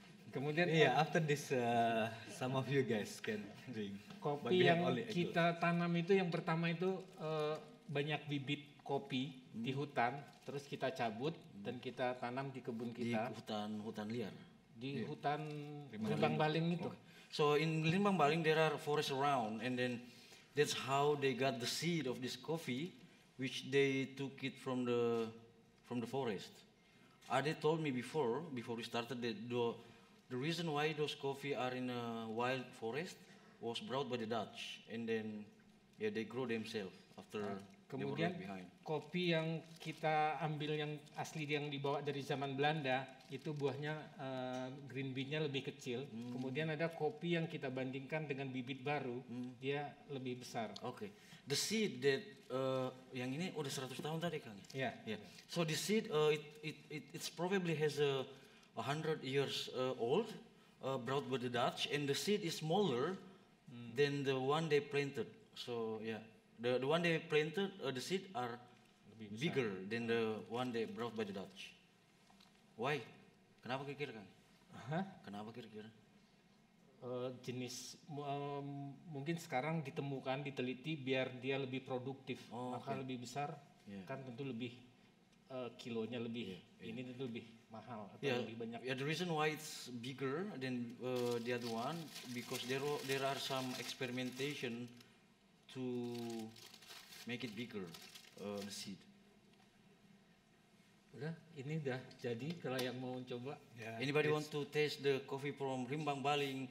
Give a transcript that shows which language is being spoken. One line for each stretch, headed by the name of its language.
English: Kemudian yeah, after this some of you guys can drink.
Indonesian: Kopi yang kita tanam itu yang pertama itu banyak bibit kopi di hutan, terus kita cabut dan kita tanam di kebun kita. Di hutan liar. Di hutan Rimbang Baling itu.
English: So in Rimbang Baling there are forests around and then that's how they got the seed of this coffee which they took it from the forest. Ade told me before we started that the reason why those coffee are in a wild forest was brought by the Dutch and then yeah they grow themselves after
Indonesian: kemudian kopi yang kita ambil yang asli yang dibawa dari zaman Belanda itu buahnya green bean-nya lebih kecil. Kemudian ada kopi yang kita bandingkan dengan bibit baru dia lebih besar.
English: Okay. The seed that
Indonesian: yang ini udah 100 tahun tadi Kang.
English: Yeah. So the seed it's probably has a 100 years old brought by the Dutch and the seed is smaller than the one they planted. So yeah. The one they planted the seed are bigger than the one they brought by the Dutch.
Indonesian: Why? Kenapa kira-kira Kang? Kenapa kira-kira? Jenis mungkin sekarang ditemukan diteliti biar dia lebih produktif maka lebih besar kan tentu lebih kilonya lebih ini tentu lebih mahal atau lebih banyak
English: The reason why it's bigger than the other one because there are some experimentation to make it bigger the seed.
Indonesian: Udah, ini udah jadi kalau yang mau coba.
English: Yeah, anybody want to taste the coffee from Rimbang Baling